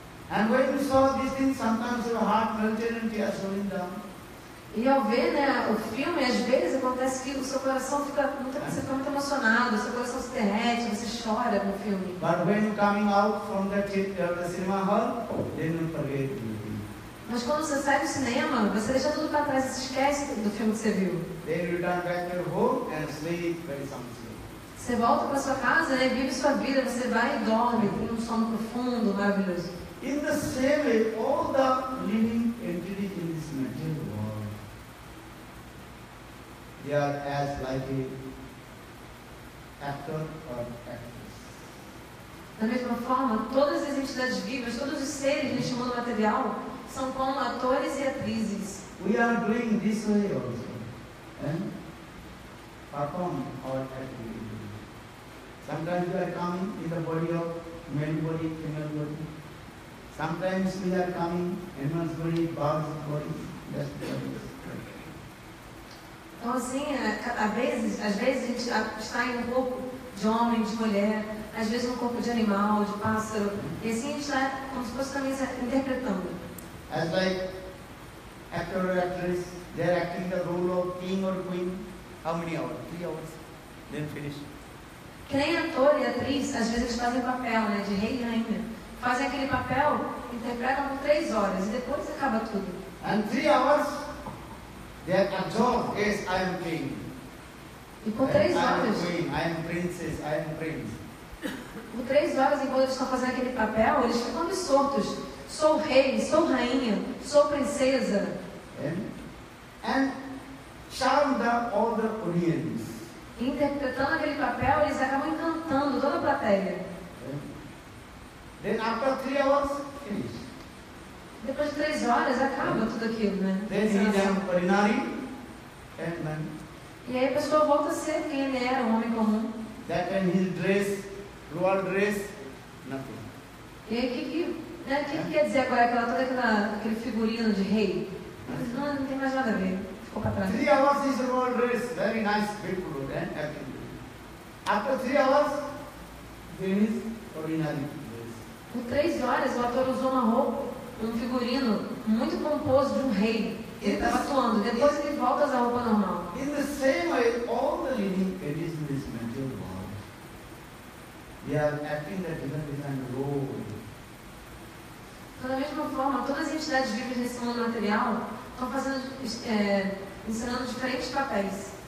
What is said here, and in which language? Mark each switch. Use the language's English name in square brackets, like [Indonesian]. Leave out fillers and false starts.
[English] And when you saw this thing, sometimes your heart melted and tears rolling down. [Portuguese] E ao ver, né, o filme, às vezes acontece que o seu coração fica muito, você fica muito emocionado, o seu coração se derrete, você chora com o filme. [English] But when you coming out from the cinema hall, then you forget everything. [Portuguese] Mas quando você sai do cinema, você deixa tudo para trás, você esquece do filme que você viu. [English] Then you return back to your home and sleep very soundly. [Portuguese] Você volta para sua casa, né, vive sua vida, você vai e dorme, tem um sono profundo, maravilhoso. [English] In the same way, all the living entities in this material world, they are as like a actor or actress. [Portuguese] Da mesma forma, todas as entidades vivas, todos os seres neste mundo material, são como atores e atrizes. [English] We are doing this way also, and perform our activity. Sometimes we are coming in the body of male body, female body. Sometimes we are coming in one's body, God's body, that's the body. [Portuguese] Então assim, às vezes a gente está em um corpo de homem, de mulher, às vezes um corpo de animal, de pássaro, e assim a gente está como se fosse também se interpretando. [English] As like actor or actress, they are acting the role of king or queen, how many hours? 3 hours, then finish. [Portuguese] Que nem ator e atriz, às vezes eles fazem papel, né, de rei e rainha. Fazem aquele papel, interpretam por 3 horas e depois acaba tudo. [English] And 3 hours, they are absorbed as I am king. [Portuguese] E por 3 horas. [English] I am queen, I am princess, I am prince. [Portuguese] Por 3 horas, enquanto eles estão fazendo aquele papel, eles ficam absortos. Sou rei, sou rainha, sou princesa. [English] And charm the other audience. [Portuguese] Interpretando aquele papel, eles acabam encantando toda a plateia. [English] Then after 3 hours, finish. [Portuguese] Depois de 3 horas, acaba tudo aquilo, né? [English] Then he became ordinary, and then. [Portuguese] E aí a pessoa volta a ser quem ele era, um homem comum. [English] That when his dress, royal dress, nothing. [Portuguese] E aí o que quer dizer agora aquela toda aquele figurino de rei? Não tem mais nada a ver. Ficou para trás. [English] 3 hours is royal dress, very nice, beautiful, and everything. After 3 hours, finish ordinary. [Portuguese] Por 3 horas, o ator usou uma roupa, um figurino muito pomposo de um rei. Ele estava atuando. Depois ele volta à roupa normal. [English] In the same way, all the living entities in this material world, they are acting that different role. [Portuguese] Então, da mesma forma, todas as entidades vivas nesse mundo material estão fazendo, ensinando diferentes papéis.